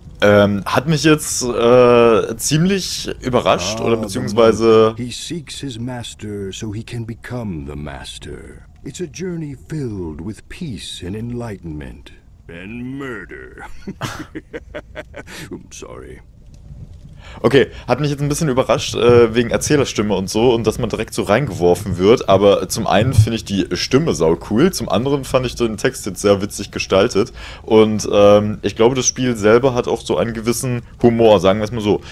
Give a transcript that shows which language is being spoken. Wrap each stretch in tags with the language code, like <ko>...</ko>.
<de>Hat mich jetzt ziemlich überrascht oder beziehungsweise.</de> <en>He seeks his master so he can become the master. It's a journey filled with peace and enlightenment and murder. Sorry.</en> <de>Okay, hat mich jetzt ein bisschen überrascht wegen Erzählerstimme und so und dass man direkt so reingeworfen wird. Aber zum einen finde ich die Stimme sau cool, zum anderen fand ich den Text jetzt sehr witzig gestaltet. Und ich glaube, das Spiel selber hat auch so einen gewissen Humor, sagen wir es mal so.</de>